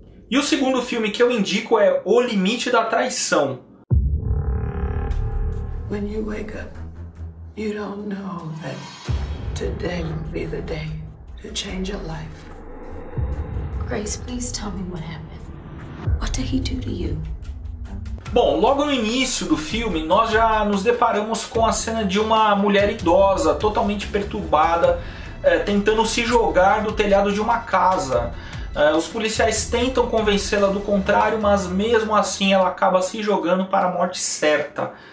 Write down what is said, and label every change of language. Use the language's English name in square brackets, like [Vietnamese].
[Portuguese] E o segundo filme que eu indico é O Limite da Traição. [English] When you wake up, you don't know that today will be the day to change your life. Grace, please tell me what happened. What did he do to you? [Portuguese] Bom, logo no início do filme, nós já nos deparamos com a cena de uma mulher idosa, totalmente perturbada, tentando se jogar do telhado de uma casa. Os policiais tentam convencê-la do contrário, mas mesmo assim ela acaba se jogando para a morte certa.